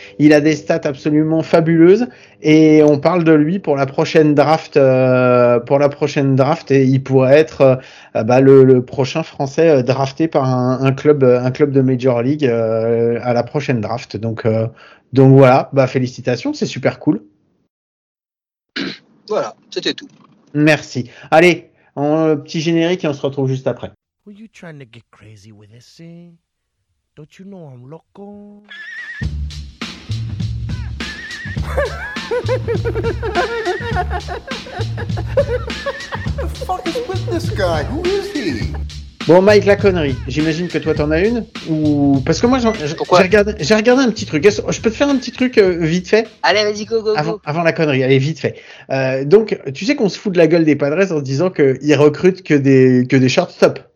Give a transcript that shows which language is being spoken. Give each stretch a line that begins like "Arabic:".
French: Il a des stats absolument fabuleuses et on parle de lui pour la prochaine draft, et il pourrait être le prochain Français drafté par un club de Major League à la prochaine draft. Donc voilà, bah félicitations, c'est super cool. Voilà, c'était tout. Merci. Allez. En petit générique et on se retrouve juste après.
English: Were you trying to get crazy with this thing? Don't you know I'm loco? The fuck is with this guy? Who is he?
French: Bon, Mike, la connerie. J'imagine que toi, t'en as une. Ou parce que moi, j'ai regardé un petit truc. Je peux te faire un petit truc vite fait. Allez, vas-y, go. Avant la connerie, allez, vite fait. Donc, tu sais qu'on se fout de la gueule des Padres en disant qu'ils recrutent que des shortstop.